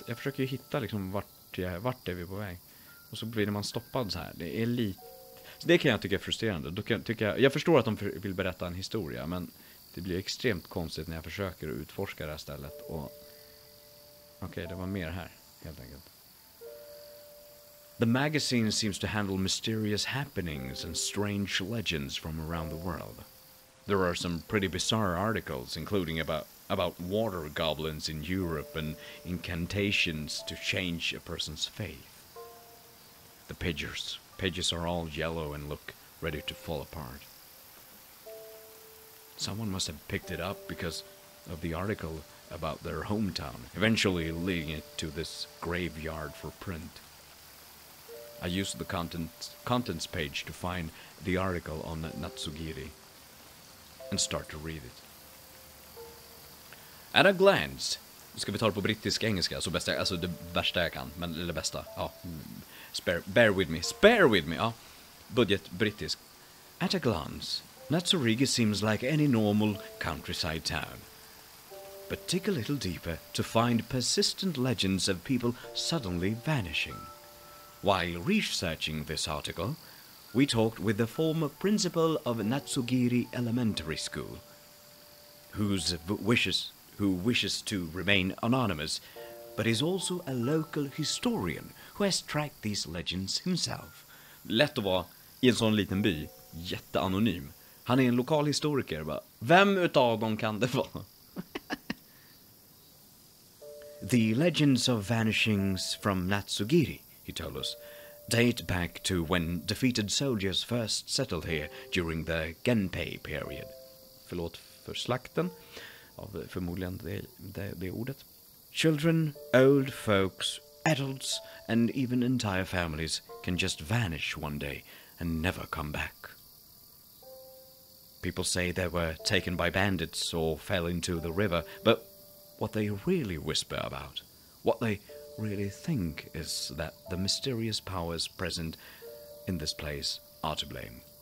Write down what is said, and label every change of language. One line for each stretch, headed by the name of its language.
Swedish: Jag försöker ju hitta liksom vart är vi på väg. Och så blir man stoppad så här. Det är lite... Så det kan jag tycka är frustrerande. Då kan, tycker jag förstår att de vill berätta en historia. Men det blir extremt konstigt när jag försöker utforska det här stället. Och... Okej, det var mer här. Helt enkelt.
English: The magazine seems to handle mysterious happenings and strange legends from around the world. There are some pretty bizarre articles, including about water goblins in Europe and incantations to change a person's faith. The pages are all yellow and look ready to fall apart. Someone must have picked it up because of the article about their hometown, eventually leading it to this graveyard for print. I used the contents page to find the article on Natsugiri and start to read it. At a glance,
Swedish: ska vi ta det på brittisk engelska, så bästa, alltså det värsta jag kan, men det bästa, ja.
English: Bear with me, ja.
Swedish: Budget brittisk.
English: At a glance, Natsugiri seems like any normal countryside town. but dig a little deeper to find persistent legends of people suddenly vanishing. While researching this article, we talked with the former principal of Natsugiri Elementary School, who wishes to remain anonymous, but is also a local historian who has tracked these legends himself.
Swedish: Lätt att vara i en sån liten by, jätteanonym. Han är en lokal historiker, bara, vem utav dem kan det vara?
English: The legends of vanishings from Natsugiri, he told us, date back to when defeated soldiers first settled here during the Genpei period.
Swedish: Förlåt för slakten, av förmodligen det ordet.
English: Children, old folks, adults and even entire families can just vanish one day and never come back. People say they were taken by bandits or fell into the river, but what they really whisper about, what they really think, is that the mysterious powers present in this place are to blame.